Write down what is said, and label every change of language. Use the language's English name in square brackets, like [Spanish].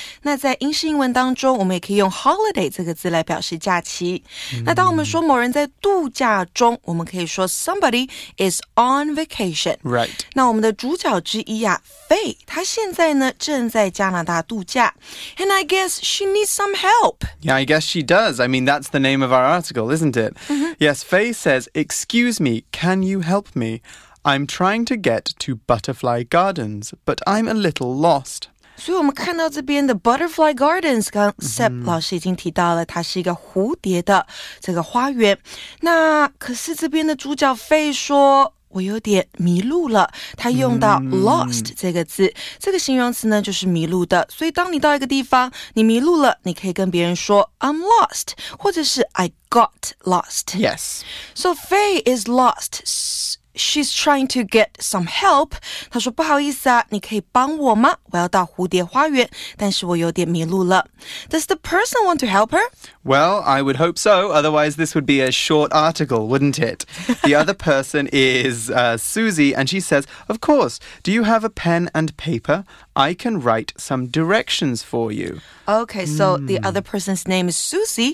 [Chinese] 那在英式英文当中，我们也可以用 holiday 这个字来表示假期。那当我们说某人在度假中，我们可以说 [English] somebody is on vacation. Right. [Chinese] 那我们的主角之一啊Faye, 她现在呢正在加拿大度假。 [English] And I guess she needs some help. Yeah, I guess she does. I mean, that's the name of our article, isn't it? Mm-hmm. Yes, Faye says, Excuse me, can you help me? I'm trying to get to Butterfly Gardens, but I'm a little lost. [Chinese] 所以我们看到这边的 Butterfly Gardens, 刚 Seb 老师已经提到了它是一个蝴蝶的这个花园。那可是这边的主角 Faye 说我有点迷路了，他用到 lost 这个字，这个形容词呢就是迷路的。所以当你到一个地方，你迷路了，你可以跟别人说 [English] I'm lost, [Chinese] 或者是 [English] I got lost. [Chinese] Yes. [English] So Faye is lost. She's trying to get some help. [Chinese] 她说不好意思啊，你可以帮我吗？我要到蝴蝶花园，但是我有点迷路了。 [English] Does the person want to help her? Well, I would hope so. Otherwise, this would be a short article, wouldn't it? The other person is Susie, and she says, Of course, do you have a pen and paper? I can write some directions for you. Okay, so the other person's name is Susie,